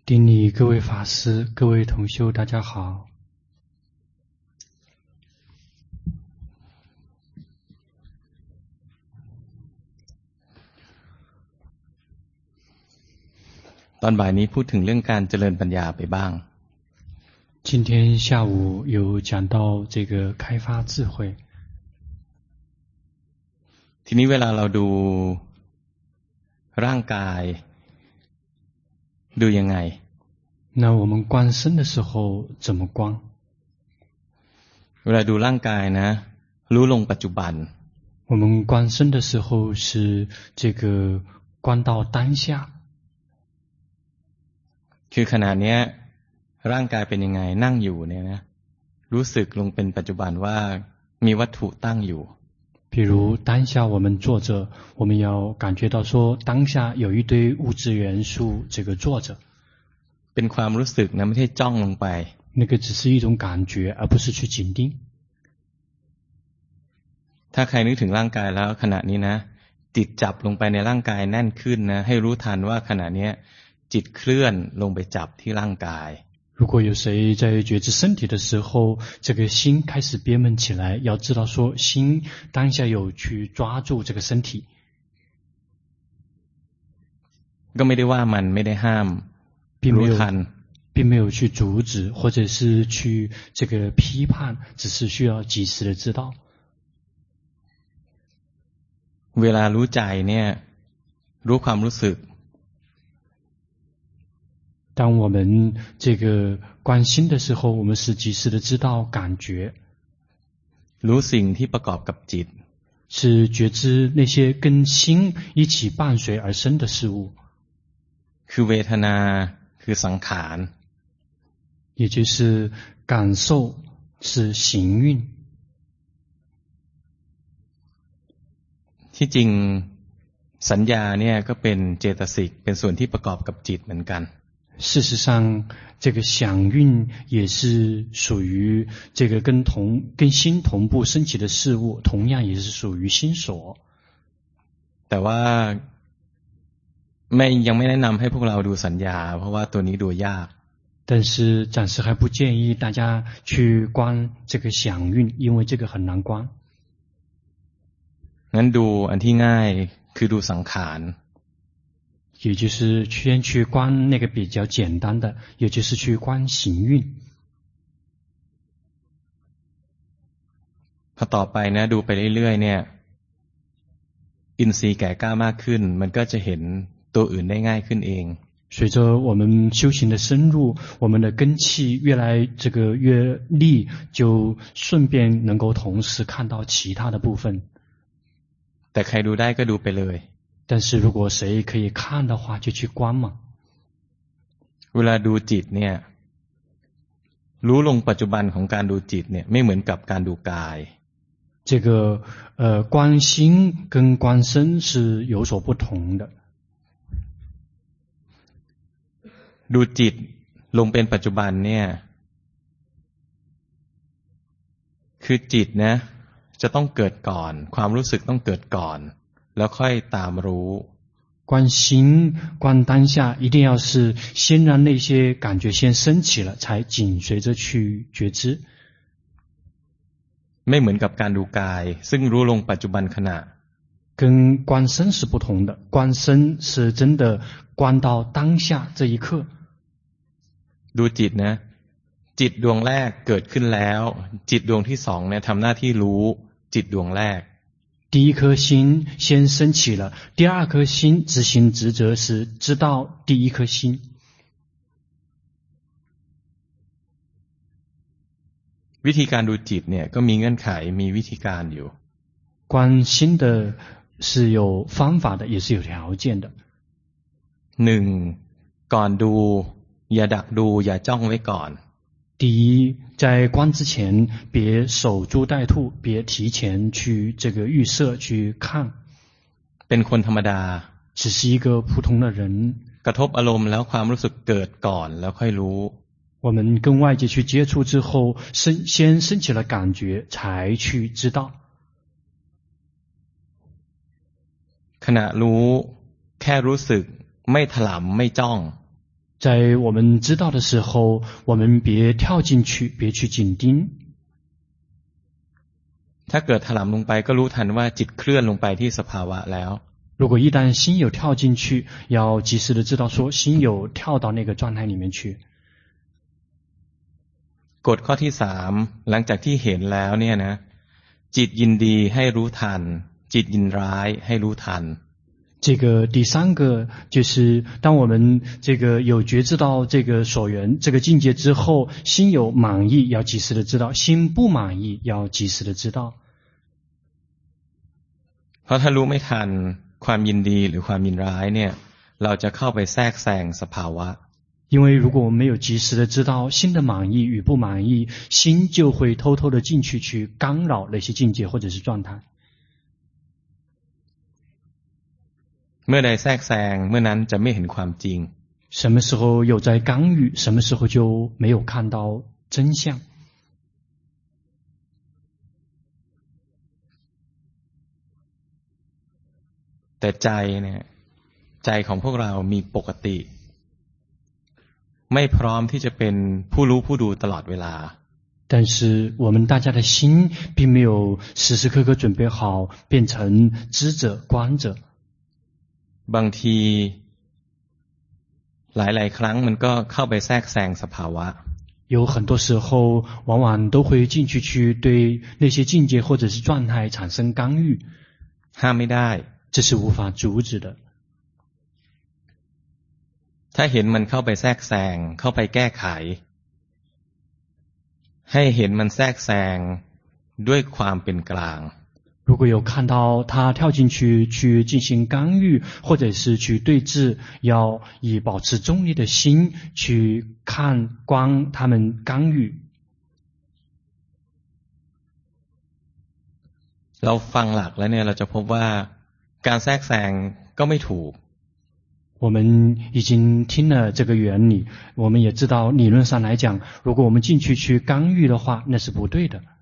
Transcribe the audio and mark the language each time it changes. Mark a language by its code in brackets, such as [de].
[th] ดี [zh] 各位法师各位同修大家好 [th] ตอนบ่ายนี้พูดถึงเรื่องการเจริญปัญญาไปบ้าง [zh] 今天下午有讲到这个开发智慧 [th] ทีนี้เวลาเราดูร่างกายดูยังไง [zh] 那我们观身的时候怎么观 [th] เวลาดูร่างกายนะรู้ลงปัจจุบัน [zh] 我们观身的时候是这个观到当下 [th] คือขณะนี้ร่างกายเป็นยังไงนั่งอยู่เนี่ยนะรู้สึกลงเป็นปัจจุบันว่ามีวัตถุตั้งอยู่ [zh] 比如当下我们坐着我们要感觉到说当下有一堆物质元素这个坐着 [th] เป็นความรู้สึกนะไม่ใช่จ้องลงไป [zh] 那个只是一种感觉而不是去紧盯 [th] ถ้าใครนึกถึงร่างกายแล้วขณะนี้นะจิตจับลงไปในร่างกายแน่นขึ้นนะให้รู้ทันว่าขณะนี้จิตเคลื่อนลงไปจับที่ร่างกาย [zh] 如果有谁在觉知身体的时候这个心开始憋闷起来要知道说心当下有去抓住这个身体 [th] ก็ไม่ได้ว่ามันไม่ได้ห้ามรู้ทัน [zh] 并没有去阻止或者是去这个批判只是需要及时的知道 [th] เวลารู้ใจเนี่ยรู้ความรู้สึก [zh] 当我们这个关心的时候我们是及时的知道感觉 [th] รู้สิ่งที่ประกอบกับจิต [zh] 是觉知那些跟心一起伴随而生的事物 [th] คือเวทนาคือสังขาร [zh] 也就是感受是行运 [th] ที่จริงสัญญาเนี่ยก็เป็นเจตสิกเป็นส่วนที่ประกอบกับจิตเหมือนกัน [zh] 事实上这个想运也是属于这个跟心同步升起的事物同样也是属于心所 [th] แต่ว่าไม่ยังไม่แนะนําให้พวกเราดูสัญญาเพราะว่าตัวนี้ดูยาก [zh] 但是暂时还不建议大家去观这个想运因为这个很难观 [th] งั้นดูอันที่ง่ายคือดูสังขาร เดี๋ยวคือ [zh] 先去观那个比较简单的也就是去观行运 [th] พอต่อไปนะดูไปเรื่อยๆเนี่ยอินทรีย์แก่กล้ามากขึ้นมันก็จะเห็นตัวอื่นได้ง่ายขึ้นเอง [zh] 随着我们修行的深入我们的根气越来这个越利就顺便能够同时看到其他的部分 [th] แต่ใครดูได้ก็ดูไปเลย [zh] 但是如果谁可以看的话就去观嘛 [th] เวลาดูจิตเนี่ยรู้ลงปัจจุบันของการดูจิตเนี่ยไม่เหมือนกับการดูกาย [zh] 这个观心跟观身是有所不同的 [th] ดูจิตลงเป็นปัจจุบันเนี่ยคือจิตนะจะต้องเกิดก่อนความรู้สึกต้องเกิดก่อนแล้วค่อยตามรู้ [zh] 观心观当下一定要是先让那些感觉先升起了才紧随着去觉知 [th] ไม่เหมือนกับการดูกายซึ่งรู้ลงปัจจุบันขณะ [zh] 跟观身是不同的观身是真的观到当下这一刻 [th] ดูจิตนะจิตดวงแรกเกิดขึ้นแล้วจิตดวงที่สองเนี่ยทำหน้าที่รู้จิตดวงแรก [zh] 第一颗心先升起了第二颗心执行职责时知道第一颗心 [th] วิธีการดูจิตเนี่ยก็มีเงื่อนไขมีวิธีการอยู่ [zh] 观心的是有方法的也是有条件的 [th] หนึ่งก่อนดูอย่าดักดูอย่าจ้องไว้ก่อน [zh] 第一在观之前别守株待兔别提前去这个预设去看 [th] เป็นคนธรรมดา [zh] 只是一个普通的人 [th] กระทบอารมณ์แล้วความรู้สึกเกิดก่อนแล้วค่อยรู้ [zh] 我们跟外界去接触之后先升起了感觉才去知道 [th] ขณะรู้แค่รู้สึกไม่ถลำไม่จ้อง [zh] 在我们知道的时候我们别跳进去别去紧盯 [th] ถ้าเกิดถลำลงไปก็รู้ทันว่าจิตเคลื่อนลงไปที่สภาวะแล้ว [zh] 如果一旦心有跳进去要及时的知道说心有跳到那个状态里面去 [th] กฎข้อที่3หลังจากที่เห็นแล้วเนี่ยนะจิตยินดีให้รู้ทันจิตยินร้ายให้รู้ทัน [zh] 这个第三个就是当我们这个有觉知到这个所缘这个境界之后心有满意要及时的知道心不满意要及时的知道 [th] เพราะถ้ารู้ไม่ทันความยินดีหรือความยินร้ายเนี่ยเราจะเข้าไปแทรกแซงสภาวะ [zh] 因为如果我们没有及时的知道心的满意与不满意心就会偷偷的进去去干扰那些境界或者是状态 [th] เมื่อใดแทรกแซงเมื่อนั้นจะไม่เห็นความจริง [zh] 什么时候有在干预什么时候就没有看到真相 [th] แต่ใจเนี่ยใจของพวกเรามีปกติไม่พร้อมที่จะเป็นผู้รู้ผู้ดูตลอดเวลา [zh] 但是我们大家的心并没有时时刻刻准备好变成知者观者 [th] บางทีหลายหลายครั้งมันก็เข้าไปแทรกแซงสภาวะ [zh] 有很多时候往往都会进去去对那些境界或者是状态产生干预 [th] ห้ามไม่ได้ [zh] 这是无法阻止的 [th] ถ้าเห็นมันเข้าไปแทรกแซงเข้าไปแก้ไขให้เห็นมันแทรกแซงด้วยความเป็นกลาง [zh] 如果有看到他跳进去去进行干预或者是去对峙要以保持中立的心去看观他们干预 [th] เราฟังหลักแล้วเนี่ยเราจะพบว่าการแทรกแซงก็ไม่ถูก [zh] 我们已经听了这个原理我们也知道理论上来讲如果我们进去去干预的话那是不对的